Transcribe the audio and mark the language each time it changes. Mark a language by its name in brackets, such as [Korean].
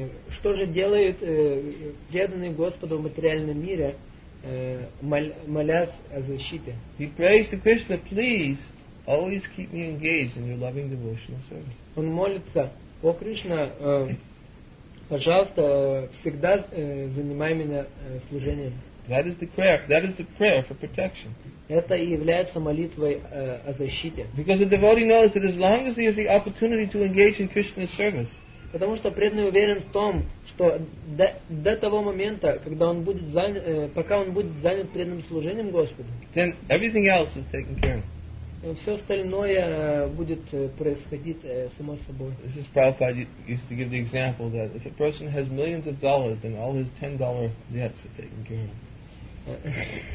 [Russian] Что же делают преданные Господу в материальном мире, молясь о защите? [English] He prays to Krishna, please Always keep me engaged in your loving devotional service. [Russian] Он молится: О Кришна, пожалуйста, всегда занимай меня служением. [English] That is the prayer. That is the prayer for protection. [Russian] Это и является молитвой о защите. [English] Because the devotee knows that as long as he has the opportunity to engage in Krishna's service. [Russian] Потому что преданный уверен в том, что до того момента, когда он будет занят, пока он будет занят преданным служением Господу, [English] then everything else is taken care of. [Russian] Все остальное будет происходить само собой. [English] This is Prabhupada used to give the example that if a person has millions of dollars, then all his $10 debts are taken care of.